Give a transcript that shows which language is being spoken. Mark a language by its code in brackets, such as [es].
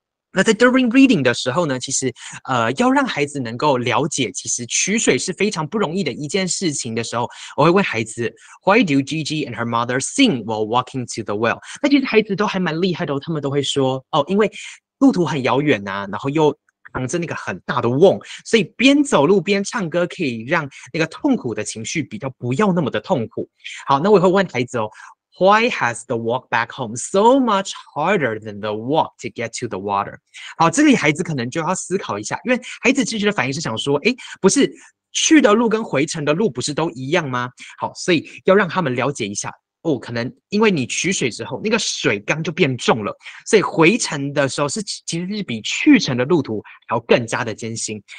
[zh] 那在 during reading 的时候呢，其实要让孩子能够了解其实取水是非常不容易的一件事情的时候，我会问孩子 [en] Why do Gigi and her mother sing while walking to the well? [zh] 那其实孩子都还蛮厉害的哦，他们都会说哦，因为路途很遥远啊，然后又扛着那个很大的瓮，所以边走路边唱歌可以让那个痛苦的情绪比较不要那么的痛苦。好，那我也会问孩子哦， [en] Why has the walk back home so much harder than the walk to get to the water? [zh] 好，这里孩子可能就要思考一下，因为孩子直觉的反应是想说，不是去的路跟回程的路不是都一样吗？好，所以要让他们了解一下，哦，可能因为你取水之后，那个水缸就变重了，所以回程的时候其实是比去程的路途还要更加的艰辛。